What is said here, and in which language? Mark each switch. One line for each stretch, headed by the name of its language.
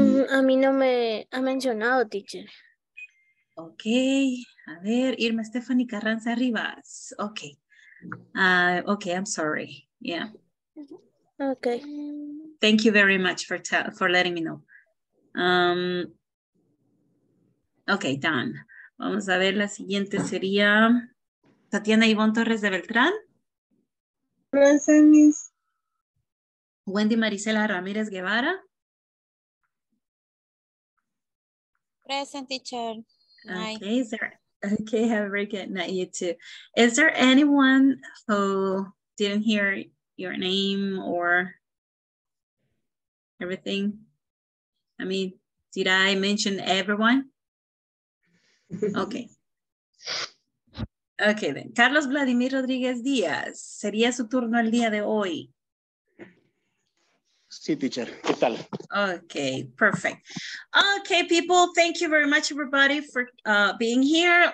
Spanish: A mí no me ha mencionado, teacher. Ok, a ver, Irma Stephanie Carranza Rivas.
English: Ok, I'm sorry. Yeah. Ok. Thank you very much for letting me know. Okay, done.
Spanish: Vamos a ver, la siguiente sería Tatiana Ivonne Torres de Beltrán.
English: Present, miss. Wendy Marisela Ramírez Guevara. Present, teacher. Okay, have a very good night, you too. Is there anyone who didn't hear your name or everything? I mean, did I mention everyone? Okay, then.
Spanish: Carlos Vladimir Rodriguez Díaz, ¿sería su turno el día de hoy? Sí, teacher, ¿qué tal?
English: Okay, perfect. Okay, people, thank you very much, everybody, for being here.